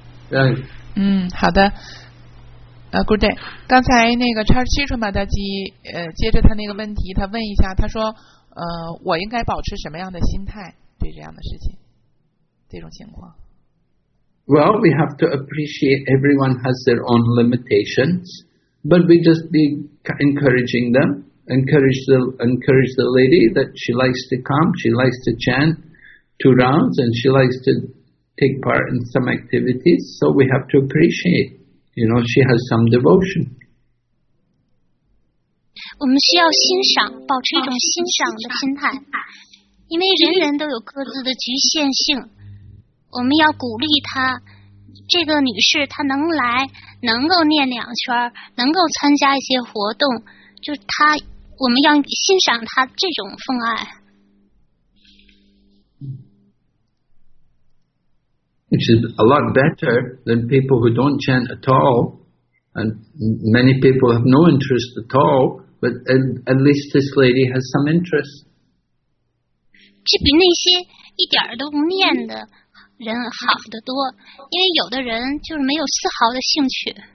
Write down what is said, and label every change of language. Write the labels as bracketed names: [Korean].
[English] Right. [Chinese] 好的。 [English] Good day. [Chinese] 刚才那个叉七川马大吉接着他那个问题，他问一下，他说我应该保持什么样的心态对这样的事情，这种情况。 [English] Well, we have to appreciate everyone has their own limitations, but we just be encouraging them, encourage the lady that she likes to come, she likes to chant two rounds, and she likes to. Take part in some activities, so we have to appreciate. You know, she has some devotion. [Chinese] 我们需要欣赏，保持一种欣赏的心态，因为人人都有各自的局限性。我们要鼓励她，这个女士她能来，能够念两圈，能够参加一些活动，就她，我们要欣赏她这种奉爱。 [English] Which is a lot better than people who don't chant at all, and many people have no interest at all, but at least this lady has some interest. [Chinese] 这比那些一点儿都不念的人好得多，因为有的人就是没有丝毫的兴趣。